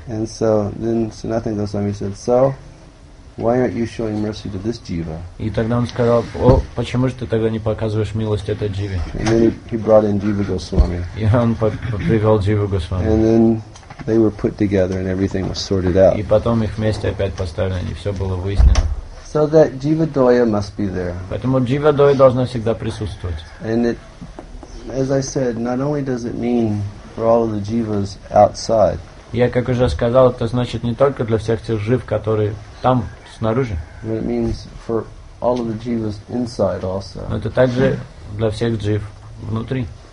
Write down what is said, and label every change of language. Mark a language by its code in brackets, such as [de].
[en] And so then Sanatan Goswami said, "So, why aren't you showing mercy to this jiva?" [ru] И тогда он сказал: "О, почему же ты тогда не показываешь милость этой дживе?" [en] And then he brought in Jiva Goswami. [ru] И он привел Jiva Goswami. [en] And then they were put together and everything was sorted out. [ru] И потом их вместе опять поставили, и все было выяснено. [en] So that jiva doya must be there. [ru] Поэтому jiva doya должна всегда присутствовать. [en] And it, as I said, not only does it mean for all of the jivas outside. [ru] Я как уже сказал, это значит не только для всех тех жив, которые там снаружи. [en] But it means for all of the jivas inside also. [ru] Но это также для всех жив внутри.